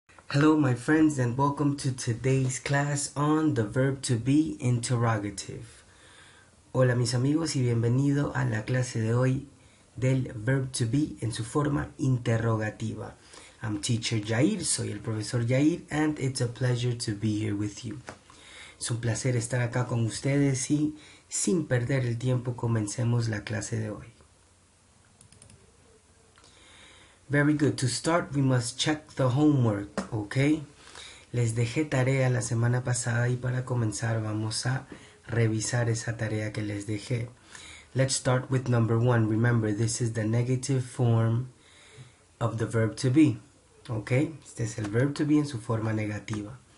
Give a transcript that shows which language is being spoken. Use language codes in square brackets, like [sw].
[en] Hello, my friends, and welcome to today's class on the verb to be interrogative. [es] Hola, mis amigos, y bienvenido a la clase de hoy del verb to be en su forma interrogativa. [en] I'm teacher Yair, [es] soy el profesor Yair, [en] and it's a pleasure to be here with you. [es] Es un placer estar acá con ustedes y, sin perder el tiempo, comencemos la clase de hoy. [en] Very good. To start, we must check the homework, okay? [es] Les dejé tarea la semana pasada y para comenzar vamos a revisar esa tarea que les dejé. [en] Let's start with number one. Remember, this is the negative form of the verb to be, okay? [es] Este es el verb to be en su forma negativa.